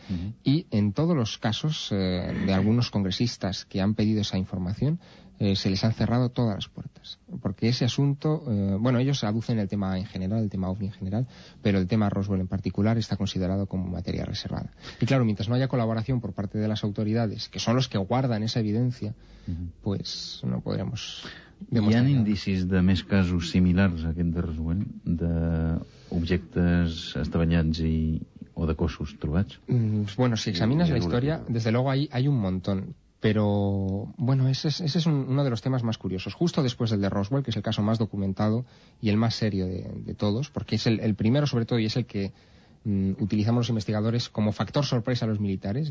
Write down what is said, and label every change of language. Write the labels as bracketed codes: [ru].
[es] Uh-huh. Y en todos los casos de algunos congresistas que han pedido esa información, se les han cerrado todas las puertas. Porque ese asunto, ellos aducen el tema en general, el tema OVNI en general, pero el tema Roswell en particular está considerado como materia reservada. Y claro, mientras no haya colaboración por parte de las autoridades, que son los que guardan esa evidencia, pues no podremos demostrar. [ca] ¿Hi ha indicis de més casos similars a aquest de Roswell, d'objectes estavellats i... o de cossos trobats? [es] Bueno, [ca] si examines la història, [es] desde luego hay un montón. Pero, bueno, ese es uno de los temas más curiosos. Justo después del de Roswell, que es el caso más documentado y el más serio de todos, porque es el primero, sobre todo, y es el que utilizamos los investigadores como factor sorpresa a los militares.